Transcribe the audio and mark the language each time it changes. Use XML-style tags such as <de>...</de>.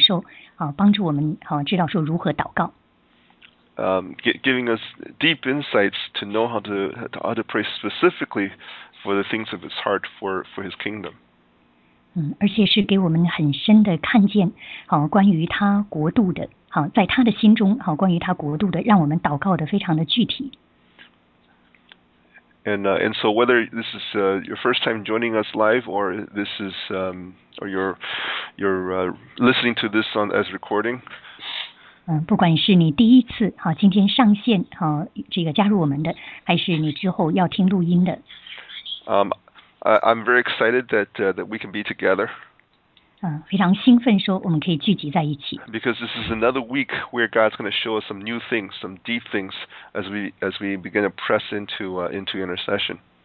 <zh>我们感谢神，每一个星期都给我们非常新鲜的一些看见和领受，帮助我们知道说如何祷告。</zh> <en>Giving us deep insights to know how to pray specifically for the things of His heart for His kingdom.</en> <zh>而且是给我们很深的看见，关于他国度的，在他的心中，关于他国度的，让我们祷告的非常的具体。</zh> <en>And so whether this is your first time joining us live, or this is or you're listening to this on as recording.</en> <zh>不管是你第一次今天上线这个加入我们的，还是你之后要听录音的。</zh> <en>I'm very excited that we can be together.</en> <zh>非常兴奋说我们可以聚集在一起。</zh> <en>Because this is another week where God's going to show us some new things, some deep things as we begin to press into intercession.</en>